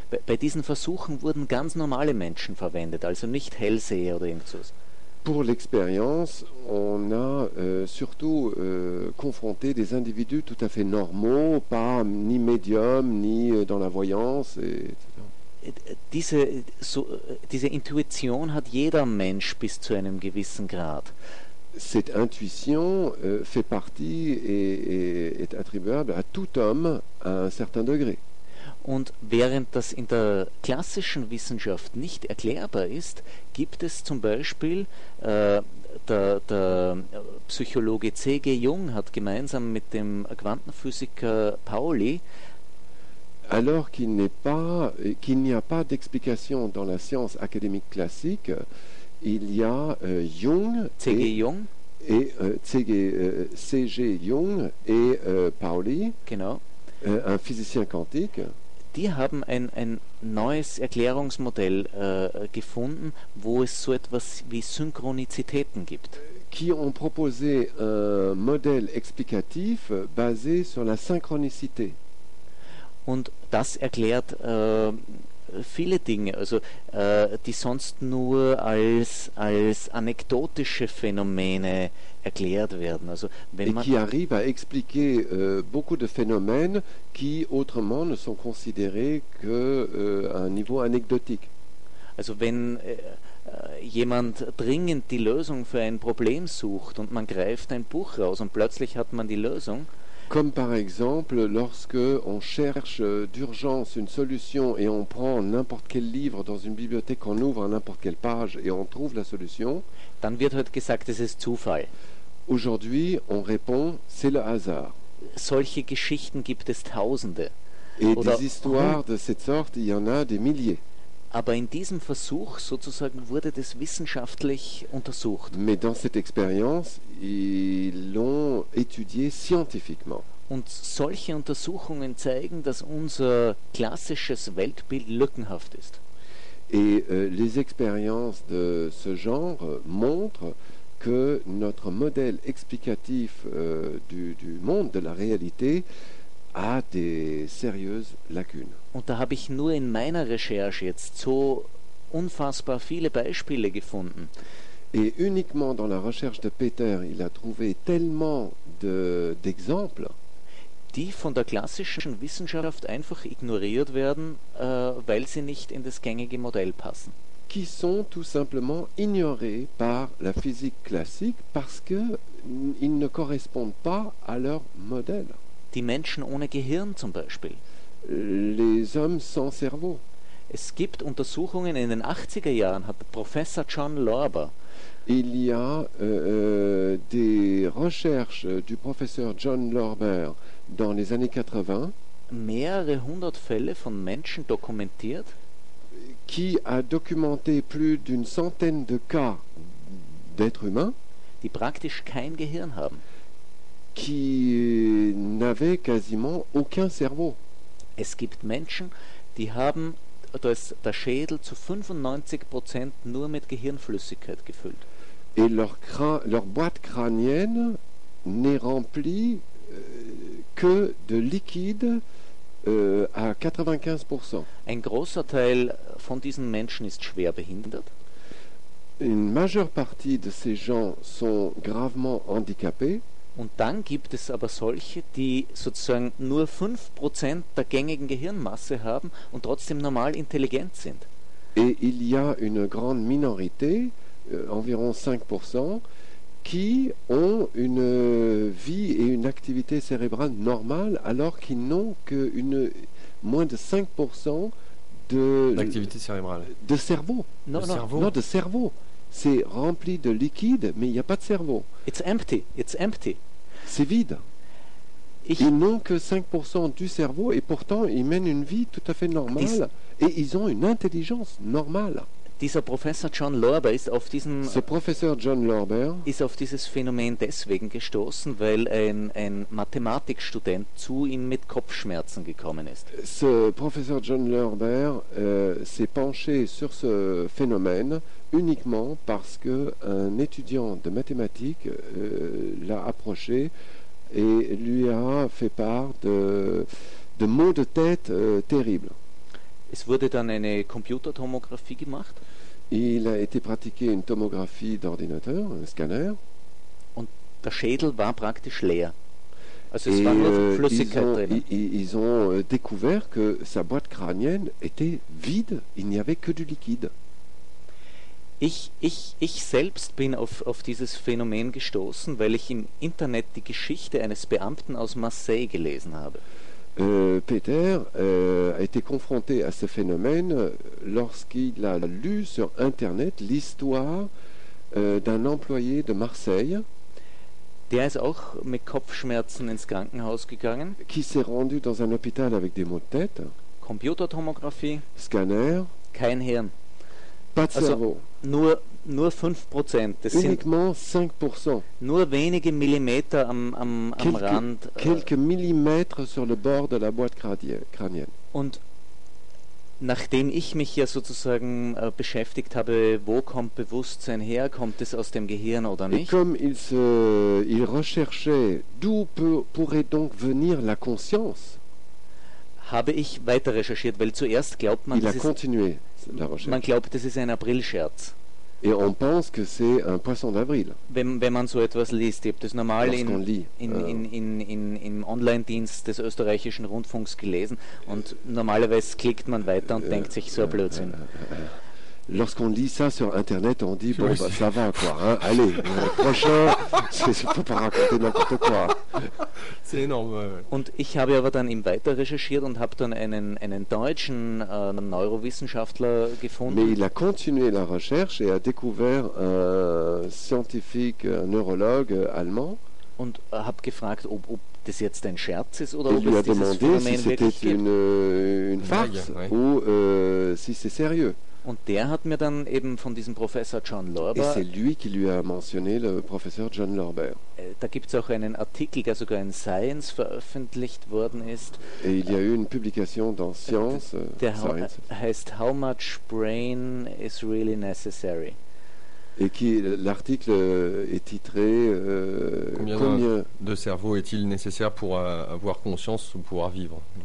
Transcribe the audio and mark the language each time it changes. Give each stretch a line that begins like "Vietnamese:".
German: Bei diesen Versuchen wurden ganz normale Menschen verwendet, also nicht Hellseher oder irgendwas.
French: Pour l'expérience, on a surtout confronté des individus tout à fait normaux, pas ni médium, ni dans la voyance, etc.
German: Diese Intuition hat jeder Mensch bis zu einem gewissen Grad.
French: Cette intuition fait partie et est attribuable à tout homme à un certain degré.
German: Und während das in der klassischen Wissenschaft nicht erklärbar ist, gibt es zum Beispiel, der Psychologe C.G. Jung hat gemeinsam mit dem Quantenphysiker Pauli,
French: alors qu'il n'y a pas d'explication dans la science académique classique, il y a Jung, C.G. Jung, et C.G. Jung et Pauli,
German: genau,
French: un physicien quantique.
German: Die haben ein neues Erklärungsmodell gefunden, wo es so etwas wie Synchronizitäten gibt.
French: Qui ont proposé un modèle explicatif basé sur la synchronicité.
German: Und das erklärt viele Dinge, also die sonst nur als anekdotische Phänomene erklärt werden. Also wenn
French: et
German: man
French: qui arrive à expliquer beaucoup de phénomènes qui autrement ne sont considérés que à un niveau anecdotique.
German: Also wenn jemand dringend die Lösung für ein Problem sucht und man greift ein Buch raus und plötzlich hat man die Lösung.
French: Comme par exemple lorsque on cherche d'urgence une solution et on prend n'importe quel livre dans une bibliothèque, on ouvre n'importe quelle page et on trouve la solution.
German: Dann wird heute gesagt, es ist Zufall.
French: Aujourd'hui, on répond, c'est le hasard.
German: Solche Geschichten gibt es tausende.
French: Et oder des histoires de cette sorte, il y en a des milliers.
German: Aber in diesem Versuch sozusagen wurde das wissenschaftlich untersucht.
French: Mais dans cette expérience, ils l'ont étudié scientifiquement.
German: Und solche Untersuchungen zeigen, dass unser klassisches Weltbild lückenhaft ist.
French: Et les expériences de ce genre montrent que notre modèle explicatif du monde, de la réalité, a des sérieuses lacunes.
German: Und da habe ich nur in meiner Recherche jetzt so unfassbar viele Beispiele gefunden.
French: Et uniquement dans la recherche de Peter, il a trouvé tellement d'exemples,
German: die von der klassischen Wissenschaft einfach ignoriert werden, weil sie nicht in das gängige Modell passen.
French: Qui sont tout simplement ignorés par la physique classique parce que ils ne correspondent pas à leur modèle.
German: Die Menschen ohne Gehirn zum Beispiel.
French: Les hommes sans cerveau.
German: Es gibt Untersuchungen in den 80er Jahren, hat Professor John Lorber.
French: Il y a des recherches du professeur John Lorber dans les années 80.
German: Mehrere hundert Fälle von Menschen dokumentiert.
French: Qui a documenté plus d'une centaine de cas d'êtres humains.
German: die praktisch kein Gehirn haben.
French: Qui n'avait quasiment aucun cerveau.
German: Es gibt Menschen, die haben, da ist der Schädel zu 95% nur mit Gehirnflüssigkeit gefüllt.
French: Et leur boîte crânienne n'est remplie que de liquide à 95%. Ein großer Teil von diesen Menschen ist schwer behindert. Une majeure partie de ces gens sont gravement handicapés. Und dann gibt es aber solche, die sozusagen nur 5% der gängigen Gehirnmasse haben und trotzdem normal intelligent sind. Et il y a une grande minorité, environ 5%, qui ont une vie et une activité cérébrale normale, alors qu'ils n'ont que moins de 5% d'activité cérébrale. De cerveau. Non, de cerveau. C'est rempli de liquide, mais il n'y a pas de cerveau.
English: It's empty.
French: C'est vide. Ils n'ont que 5% du cerveau et pourtant ils mènent une vie tout à fait normale et ils ont une intelligence normale.
German: Dieser Professor John Lorber ist auf diesen ist auf dieses Phänomen deswegen gestoßen, weil ein Mathematikstudent zu ihm mit Kopfschmerzen gekommen ist.
French: Ce professeur John Lorber s'est penché sur ce phénomène uniquement parce que un étudiant de mathématiques l'a approché et lui a fait part de maux de tête terribles.
German: Es wurde dann eine Computertomographie gemacht.
French: Il a été pratiqué une tomographie d'ordinateur, un scanner.
German: Und der Schädel war praktisch leer. Also es war nur Flüssigkeit drin.
French: Ils ont découvert que sa boîte crânienne était vide, il n'y avait que du liquide.
German: Ich selbst bin auf dieses Phänomen gestoßen, weil ich im Internet die Geschichte eines Beamten aus Marseille gelesen habe.
French: Peter a été confronté à ce phénomène lorsqu'il a lu sur Internet l'histoire d'un employé de Marseille.
German: Der ist auch mit Kopfschmerzen ins Krankenhaus gegangen.
French: Qui s'est rendu dans un hôpital avec des maux de tête.
German: Computertomographie.
French: Scanner.
German: Kein Hirn.
French: Pas de cerveau.
German: Nur 5%.
French: Uniquement 5%.
German: Nur wenige Millimeter am Rand.
French: Quelques millimètres sur le bord de la boîte crânienne.
German: Und nachdem ich mich ja sozusagen beschäftigt habe, wo kommt Bewusstsein her, kommt es aus dem Gehirn oder nicht?
French: Et comme il recherchait d'où pourrait donc venir la conscience,
German: habe ich weiter recherchiert, weil zuerst glaubt man, man glaubt, das ist ein Aprilscherz.
French: Et on pense que c'est un poisson d'avril.
German: Wenn man so etwas liest, ich habe das normal im Online-Dienst des österreichischen Rundfunks gelesen und normalerweise klickt man weiter und denkt sich so ein Blödsinn.
French: Lorsqu'on lit ça sur Internet, on dit bon, bah, ça va quoi, hein, allez, prochain, c'est pas raconter n'importe quoi. C'est énorme.
German: Und ich habe aber dann eben weiter recherchiert und habe dann einen deutschen Neurowissenschaftler gefunden.
French: Mais il a continué la recherche et a découvert un scientifique, un neurologue allemand.
German: Und habe gefragt, ob das jetzt ein Scherz ist oder
French: il
German: ob es dieses Phänomen
French: si
German: wirklich gibt.
French: Une farce, ja, ouais. Ou si c'est sérieux.
German: Und der hat mir dann eben von diesem Professor John Lorber.
French: Et c'est lui qui lui a mentionné le professeur John Lorber.
German: Da gibt es auch einen Artikel, der sogar in Science veröffentlicht worden ist.
French: Et il y a eu une publication dans Science.
German: Der heißt
English: How much brain is really necessary?
French: Et qui l'article est titré Combien de cerveau est-il nécessaire pour avoir conscience ou pouvoir vivre?